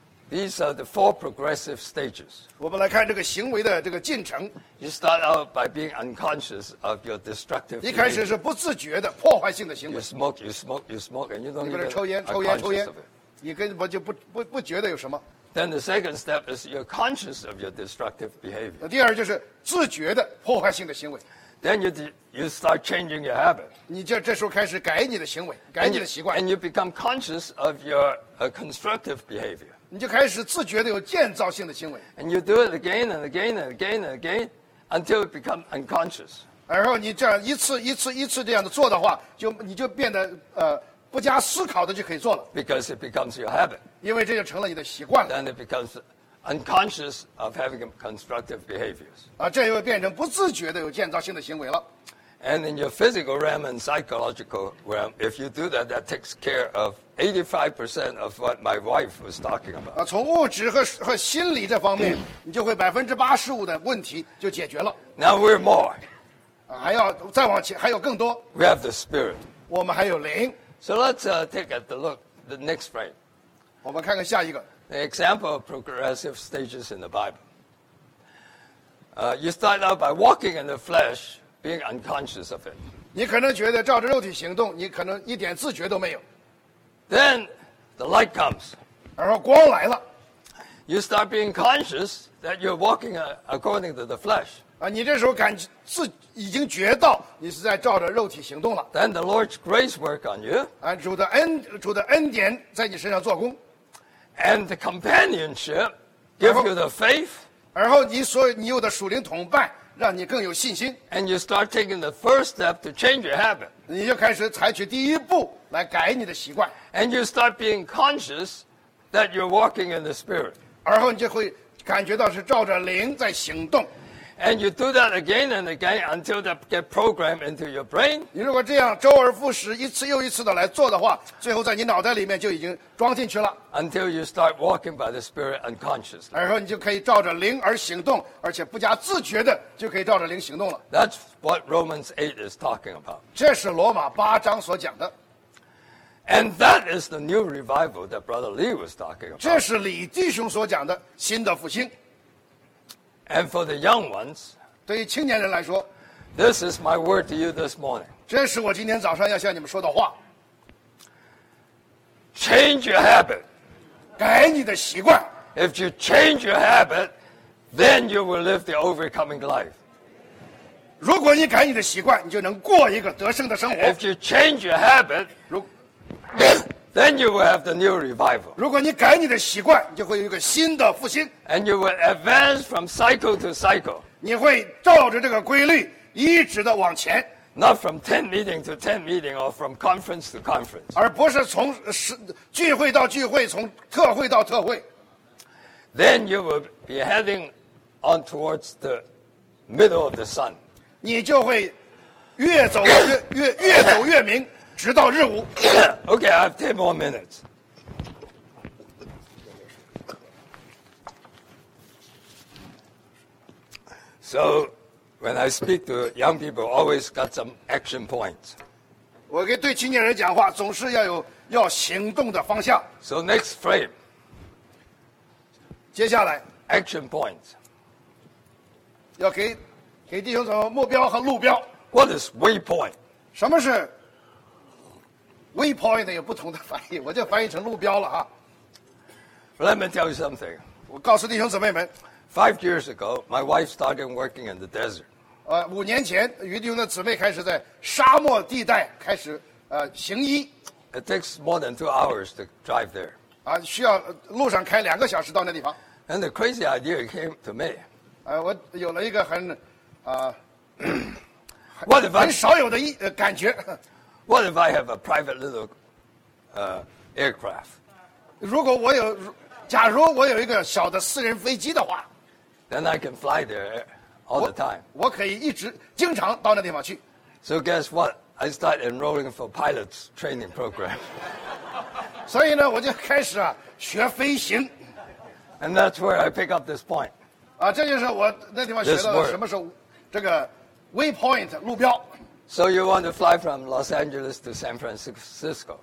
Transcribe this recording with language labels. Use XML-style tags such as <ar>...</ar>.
<en>These are the four progressive stages.</en> <zh>我们来看这个行为的这个进程。</zh> <en>You start out by being unconscious of your destructive.</en> <zh>一开始是不自觉的破坏性的行为。</zh> <en>You smoke, and you don't even conscious of it.</en> <zh>你根本就不觉得有什么。</zh> <en>Then the second step is you're conscious of your destructive behavior.</en> <zh>第二就是自觉的破坏性的行为。</zh> <en>Then you start changing your habit.</en> <zh>你就这时候开始改你的行为，改你的习惯。</zh> <en>And you become conscious of your constructive behavior.</en> <zh>你就开始自觉的有建造性的行为。</zh> <en>And you do it again and again and again and again until it become unconscious.</en> <zh>然后你这样一次一次一次这样的做的话，就你就变得不加思考的就可以做了。</zh> <en>Because it becomes your habit.</en> <zh>因为这就成了你的习惯了。</zh> <en>Then it becomes unconscious of having constructive behaviors.</en> <zh>啊，这又变成不自觉的有建造性的行为了。</zh> <en>And in your physical realm and psychological realm, if you do that, that takes care of 85% of what my wife was talking about.</en> <zh>啊，从物质和心理这方面，你就会85%的问题就解决了。</zh> <en>Now we're more.</en> <zh>啊，还要再往前，还有更多。</zh> <en>We have the spirit.</en> <zh>我们还有灵。</zh> <en>So let's take a look the next frame.</en> <zh>我们看看下一个。</zh> <en>The example of progressive stages in the Bible. You start out by walking in the flesh, being unconscious of it.</en> <zh>你可能觉得照着肉体行动，你可能一点自觉都没有。</zh> <en>Then the light comes.</en> <zh>然后光来了。</zh> <en>You start being conscious that you're walking according to the flesh.</en> <zh>啊，你这时候感自已经觉到你是在照着肉体行动了。</zh> <en>Then the Lord's grace work on you.</en> <zh>啊，主的恩典在你身上做工。</zh> <en>And the companionship gives you the faith.</en> <zh>然后你所有你有的属灵同伴，让你更有信心。</zh> <en>And you start taking the first step to change your habit.</en> <zh>你就开始采取第一步来改你的习惯。</zh> <en>And you start being conscious that you're walking in the spirit.</en> <zh>然后你就会感觉到是照着灵在行动。</zh> <en>And you do that again and again until that get programmed into your brain.</en> <zh>你如果这样周而复始一次又一次的来做的话，最后在你脑袋里面就已经装进去了。</zh> <en>Until you start walking by the spirit unconsciously.</en> <zh>然后你就可以照着灵而行动，而且不加自觉的就可以照着灵行动了。</zh> <en>That's what Romans 8 is talking about.</en> <zh>这是罗马八章所讲的。</zh> <en>And that is the new revival that Brother Lee was talking about.</en> <zh>这是李弟兄所讲的新的复兴。</zh> <en>And for the young ones,</en> <zh>对于青年人来说</zh> <en>this is my word to you this morning.</en> <zh>这是我今天早上要向你们说的话。</zh> <en>Change your habit.</en> <zh>改你的习惯。</zh> <en>If you change your habit, then you will live the overcoming life.</en> <zh>如果你改你的习惯，你就能过一个得胜的生活。</zh> <en>If you change your habit, then you will have the new revival.</en> <zh>如果你改你的习惯，你就会有一个新的复兴。</zh> <en>And you will advance from cycle to cycle.</en> <zh>你会照着这个规律一直的往前。</zh> <en>Not from 10 meeting to 10 meeting or from conference to conference.</en> <zh>而不是从聚会到聚会，从特会到特会。</zh> <en>Then you will be heading on towards the middle of the sun.</en> <zh>你就会越走越明。直到日午。</zh> <en>Okay, I have 10 more minutes. So, when I speak to young people, always got some action points.</en> <zh>我给对青年人讲话，总是要有要行动的方向。</zh> <en>So next frame.</en> <zh>接下来</zh> <en>action points.</en> <zh>要给弟兄什么目标和路标</zh> <en>？What is waypoint?</en> <zh>什么是？ Waypoint 有不同的翻译，我就翻译成路标了啊。</zh> <en>Let me tell you something.</en> <zh>我告诉弟兄姊妹们。</zh> <en>5 years ago, my wife started working in the desert.</en> <zh>五年前，于弟兄的姊妹开始在沙漠地带开始行医。</zh> <en>It takes more than 2 hours to drive there.</en> <zh>啊，需要路上开2个小时到那地方。</zh> <en>And the crazy idea came to me.</en> <zh>我有了一个很</zh> <en>What if</en> <zh>很少有的感觉。</zh> <en>What if I have a private little aircraft?</en> <zh>假如我有一个小的私人飞机的话</zh> <en>，then I can fly there all the time.</en> <zh>我可以一直经常到那地方去。</zh> <en>So guess what? I start enrolling for pilots training program.</en> <zh>所以呢，我就开始学飞行。</zh> <en>And that's where I pick up this point.</en> <zh>这就是我那地方学到什么是这个 waypoint 路标。</zh> <en>So you want to fly from Los Angeles to San Francisco?</en>